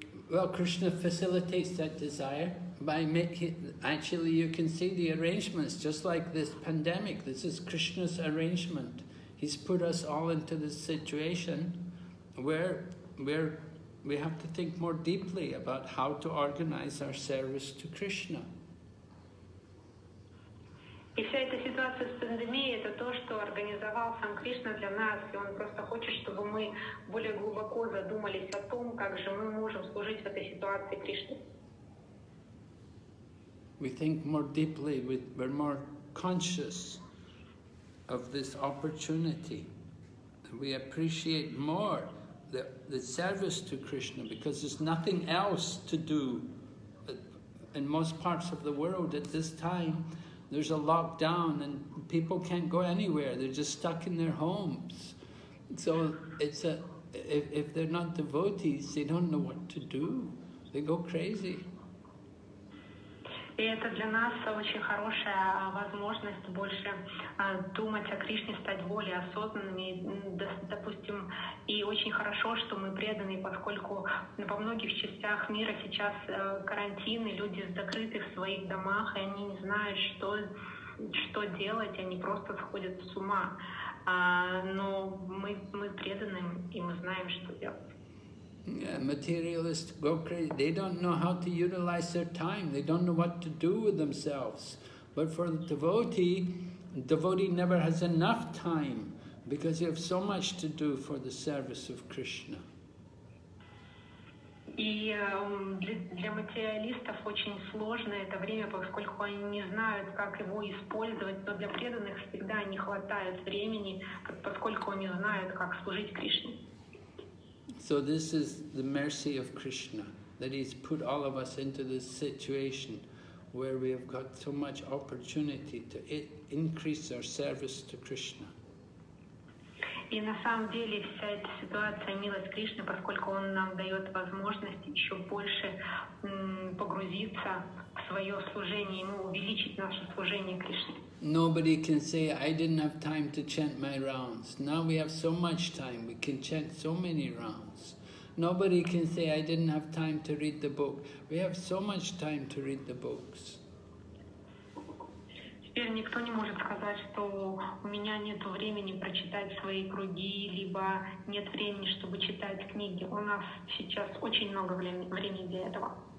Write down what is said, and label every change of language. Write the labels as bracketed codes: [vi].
[en] Well, Krishna facilitates that desire by making, actually you can see the arrangements, just like this pandemic, this is Krishna's arrangement. He's put us all into this situation where we have to think more deeply about how to organize our service to Krishna. [ru] И вся эта ситуация с пандемией — это то, что организовал сам Кришна для нас, и он просто хочет, чтобы мы более глубоко задумались о том, как же мы можем служить в этой ситуации Кришне. [en] We think more deeply, we're more conscious of this opportunity. We appreciate more the service to Krishna, because there's nothing else to do in most parts of the world at this time. There's a lockdown and people can't go anywhere, they're just stuck in their homes. So it's a, if they're not devotees, they don't know what to do. They go crazy. [ru] И это для нас очень хорошая возможность больше думать о Кришне, стать более осознанными. Допустим, и очень хорошо, что мы преданы, поскольку во многих частях мира сейчас карантин, и люди закрыты в своих домах, и они не знают, что делать, они просто сходят с ума. Но мы преданы, и мы знаем, что делать. [en] Materialists go crazy. They don't know how to utilize their time. They don't know what to do with themselves. But for the devotee never has enough time because you have so much to do for the service of Krishna. [ru] И для материалистов очень сложно это время, поскольку они не знают, как его использовать, но для преданных всегда не хватает времени, поскольку они знают, как служить Кришне. [en] So this is the mercy of Krishna, that He's put all of us into this situation where we have got so much opportunity to increase our service to Krishna. [ru] И на самом деле вся эта ситуация милость Кришны, поскольку Он нам дает возможность еще больше погрузиться в свое служение, Ему увеличить наше служение Кришне. [en] Nobody can say, I didn't have time to chant my rounds. Now we have so much time, we can chant so many rounds. Nobody can say, I didn't have time to read the book. We have so much time to read the books. [ru] Теперь никто не может сказать, что у меня нет времени прочитать свои круги, либо нет времени, чтобы читать книги. У нас сейчас очень много времени для этого.